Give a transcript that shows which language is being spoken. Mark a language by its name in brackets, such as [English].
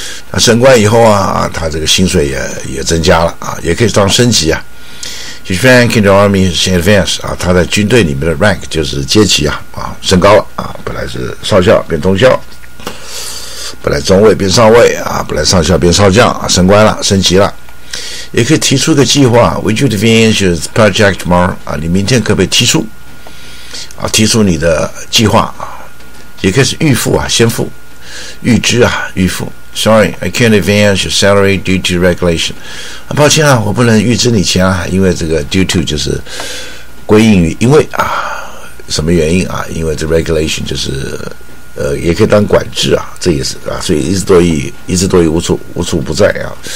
[Chinese] 那升官以后啊，他这个薪水也增加了啊，也可以当升级啊。 [English] His rank in the army is advanced [Chinese] 啊，他在军队里面的 rank 就是阶级啊升高了啊，本来是少校变中校，本来中尉变上尉啊，本来上校变少将啊，升官了，升级了。也可以提出个计划 [English] ，Would you advance your project tomorrow 啊？ [Chinese] 你明天可不可以提出啊？提出你的计划啊？也可以是预付啊，先付，预支啊，预付。 [English] Sorry, I can't advance your salary due to regulation. [Chinese] 抱歉啊，我不能预支你钱啊，因为这个 due to 就是归因于，因为啊，什么原因啊？因为这 regulation 就是也可以当管制啊，这也是啊，所以一字多义，一字多义无处不在啊。